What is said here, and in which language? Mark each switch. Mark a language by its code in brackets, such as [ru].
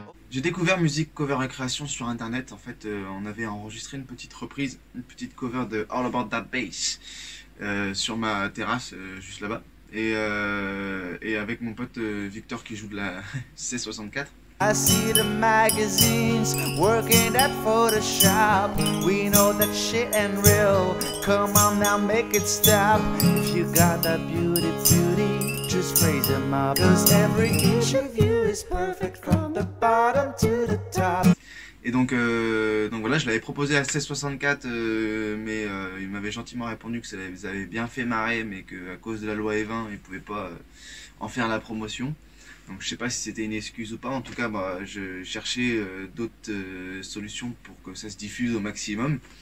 [fr] J'ai découvert musique cover récréation sur internet. En fait, on avait enregistré une petite reprise, une petite cover de All About That Bass sur ma terrasse juste là-bas. Et avec mon pote Victor qui joue de la C64. [en] I see the magazines working at Photoshop. We know that shit ain't real. Come on now, make it stop. If you got that beauty, beauty, just raise them up. Cause every inch of you is perfect from the bottom to the top. [fr] Et donc voilà, je l'avais proposé à C64, mais il m'avait gentiment répondu que ça les avait bien fait marrer, mais qu'à cause de la loi Evin, ils ne pouvaient pas en faire la promotion. Donc je sais pas si c'était une excuse ou pas. En tout cas, bah, je cherchais d'autres solutions pour que ça se diffuse au maximum.